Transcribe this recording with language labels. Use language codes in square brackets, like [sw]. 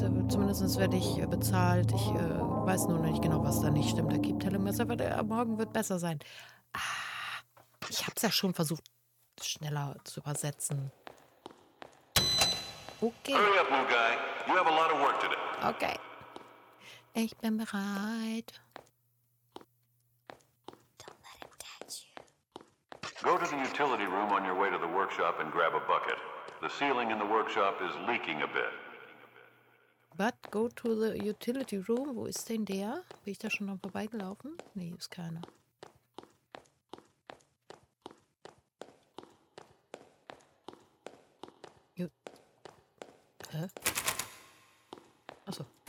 [de] Zumindest werde ich bezahlt. Ich weiß nur noch nicht genau, was da nicht stimmt. Da gibt Telemesser, aber der morgen wird besser sein. Ich habe es ja schon versucht, schneller zu übersetzen. Okay. [en] Hurry up, little guy. You have a lot of work today. [de] Okay. Ich bin bereit. [en] Don't let him catch you. Go to the utility room on your way to the workshop and grab a bucket. The ceiling in the workshop is leaking a bit. But go to the utility room. [de] Wo ist denn der? Bin ich da schon noch vorbeigelaufen? Nee, ist keiner. Hä? Achso.